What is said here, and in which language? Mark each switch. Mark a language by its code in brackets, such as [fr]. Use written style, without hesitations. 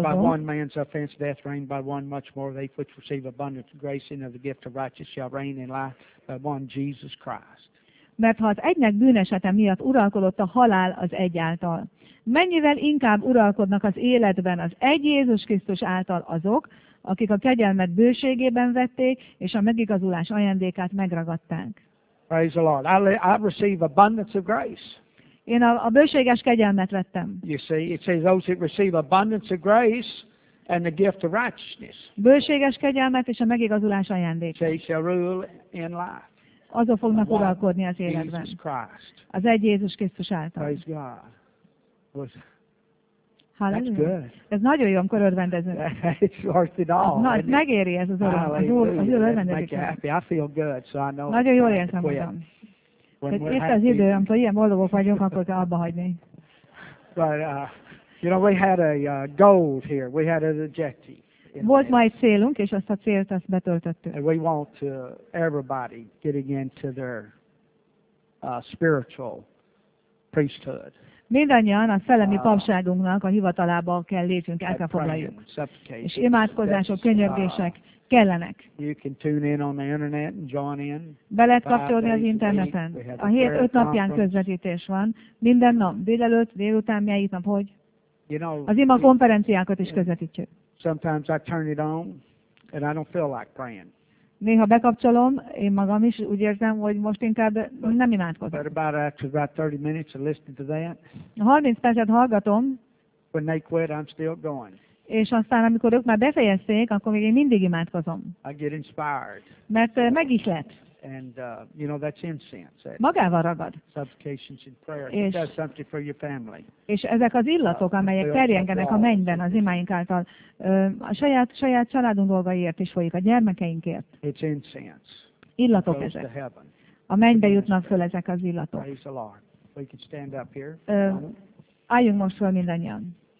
[en] By one man's offense death reigned by one much more, they which receive abundance of grace and of the gift of righteousness shall reign in life by one Jesus Christ. [hu] Mert ha az egynek bűnesete miatt uralkodott a halál az egy által, mennyivel inkább uralkodnak az életben az egy Jézus Krisztus által azok, akik a kegyelmet bőségében vették, és a megigazulás ajándékát megragadták. [en] Praise the Lord. I receive abundance of grace. [hu] Én a bőséges kegyelmet vettem. [en] You see, it says those who receive abundance of grace and the gift of righteousness. [hu] Bőséges kegyelmet és a megigazulás ajándékát. [en] They shall rule in life. [hu] Azok fognak uralkodni az életben. Az egy Jézus Krisztus által. [en] Praise God. [hu] Hallelujah. Ez nagyon jó, amikor örvendezünk. [en] It's worth it all. [hu] Na, megéri ez az örvendezik. Nagyon jól érzem magam. Itt az idő, amikor ilyen boldogok vagyunk, akkor kell abba hagyni. [en] But, you know, we had a goal here. We had an objective. [hu] Volt ma egy célunk, és azt a célt azt betöltöttük. [en] And we want to everybody getting into their spiritual priesthood. [hu] Mindannyian a szellemi papságunknak a hivatalába kell lépjünk, el kell foglaljuk. És imádkozások, könyörgések kellenek. [en] You can tune in on the internet and join in. [hu] Be lehet kapcsolni az interneten. A hét öt napján közvetítés van. Minden nap, délelőtt, délután, melyik nap, hogy? [en] You know, [hu] az ima konferenciákat is közvetítjük. [en] Sometimes I turn it on and I don't feel like praying. [hu] Néha bekapcsolom, én magam is úgy érzem, hogy most inkább nem imádkozom. [en] But about 30 minutes of listening to that. [hu] 30 percet hallgatom. [en] When they quit, I'm still going. [hu] És aztán, amikor ők már befejezték, akkor még én mindig imádkozom. [en] I get inspired. [hu] Mert meg is lett. [en] And you know that's incense. [hu] Magával ragad. [en] Supplications and prayers. It does something for your family. [hu] És ezek az illatok, amelyek terjengenek a mennyben az imáink által, a saját családunk dolgaiért is folyik, a gyermekeinkért. [en] It's incense. [hu] Illatok ezek. A mennybe jutnak föl ezek az illatok. [en] Praise the Lord. We can stand up here. [hu] Álljunk most föl mindannyian.